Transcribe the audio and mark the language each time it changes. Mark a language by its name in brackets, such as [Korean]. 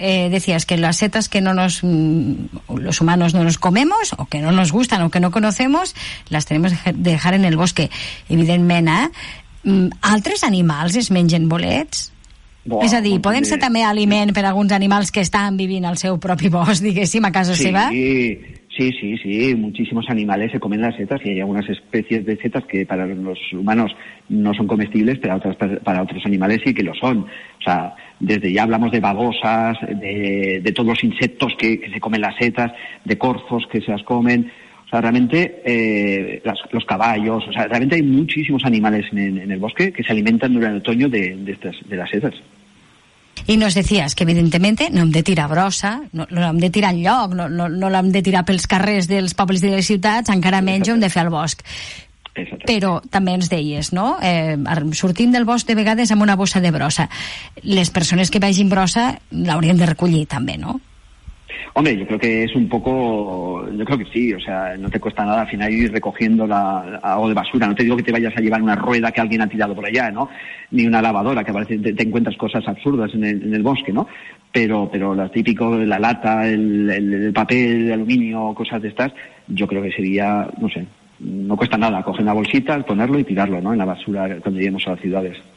[Spanish] Decías que las setas que no nos los humanos no nos comemos o que no nos gustan o que no conocemos, las tenemos de dejar en el bosque. [Catalan] Evidentment, ¿altres animals es mengen bolets? Buah, és a dir, poden ser també aliment per alguns animals que estan vivint al seu propi bosc, diguéssim, a casa seva? [Spanish] Sí, muchísimos animales se comen las setas y hay algunas especies de setas que para los humanos no son comestibles, pero para otros animales sí que lo son. O sea, desde ya hablamos de babosas, de todos los insectos que se comen las setas, de corzos que se las comen. O sea, realmente los caballos, o sea, realmente hay muchísimos animales en el bosque que se alimentan durante el otoño de las setas. [Catalan] I [Spanish] nos decías que, evidentemente, [Catalan] no hem de tirar brossa, no hem de tirar enlloc, no l'hem de tirar pels carrers dels pobles i de les ciutats, encara menys ho hem de fer al bosc. Però també ens deies, no? Sortim del bosc de vegades amb una bossa de brossa. Les persones que vagin brossa l'haurien de recollir també, no? [Spanish] Hombre, yo creo que es un poco, yo creo que sí, o sea, no te cuesta nada al final ir recogiendo algo de basura, no te digo que te vayas a llevar una rueda que alguien ha tirado por allá, ¿no? Ni una lavadora, que parece te encuentras cosas absurdas en el bosque, ¿no? Pero lo típico, la lata, el papel, el aluminio, cosas de estas, yo creo que sería, no sé, no cuesta nada coger una bolsita, ponerlo y tirarlo, ¿no? En la basura cuando lleguemos a las ciudades.